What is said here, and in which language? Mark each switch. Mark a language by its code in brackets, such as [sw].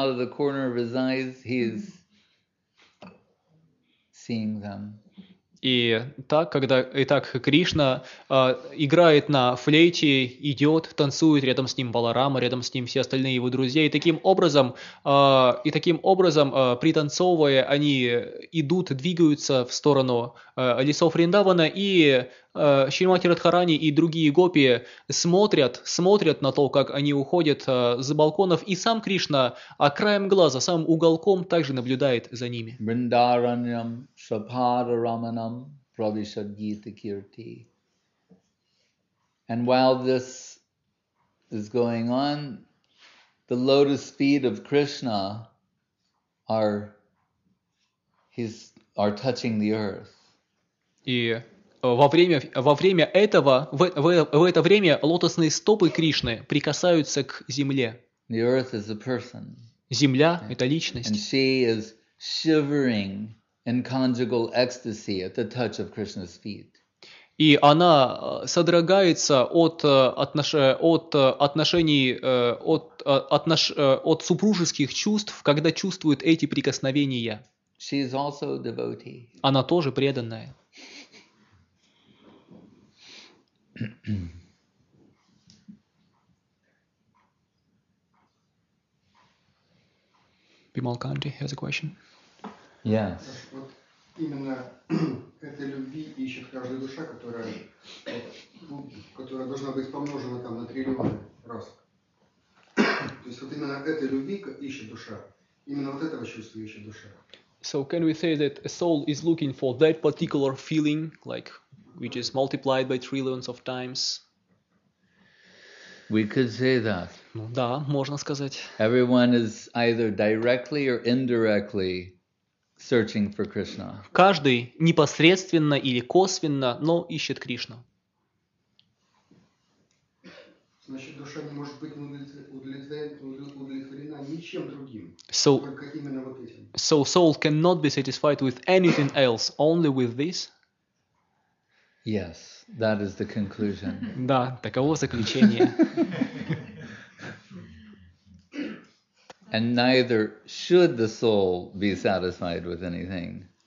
[en] Out of the corner of his eyes, he's seeing them. [ru] И так, когда итак Кришна играет на флейте, идет, танцует рядом с ним Баларама, рядом с ним все остальные его друзья, и таким образом, пританцовывая, они идут, двигаются в сторону лесов Вриндавана, и Шримати Радхарани и другие гопи смотрят на то, как они уходят за балконов, и сам Кришна краем глаза, самым уголком также наблюдает за ними. [sa] Vrindaranyam Svaparamanam Pravishad Gita Kirti. [en] And while this is going on, the lotus feet of Krishna are touching the earth. [ru] И во время этого, в это время лотосные стопы Кришны прикасаются к земле. [en] The earth is a person. [ru] Земля — это личность. [en] And she is shivering in conjugal ecstasy at the touch of Krishna's feet. [ru] И она содрогается от супружеских чувств, когда чувствует эти прикосновения. [en] She is also a devotee. [ru] Она тоже преданная. Mm-hmm. [en] Bimal Gandhi has a question. Yes. [ru] Именно этой любви ищет каждая душа, которая должна быть помножена там на триллион раз. То есть вот именно этой любви ищет душа. Именно вот этого чувства ищет душа. [en] So can we say that a soul is looking for that particular feeling, like which is multiplied by trillions of times? We could say that. [ru] Да, можно сказать. [en] Everyone is either directly or indirectly searching for Krishna. [ru] Каждый непосредственно или косвенно, но ищет Кришну. Значит, душа не может быть удовлетворена ничем другим. [en] So, [ru] только именно вот этим. [en] So soul cannot be satisfied with anything else, only with this? Yes, that is the conclusion. [ru] Да, таково заключение. [en] And neither should the soul be satisfied with anything.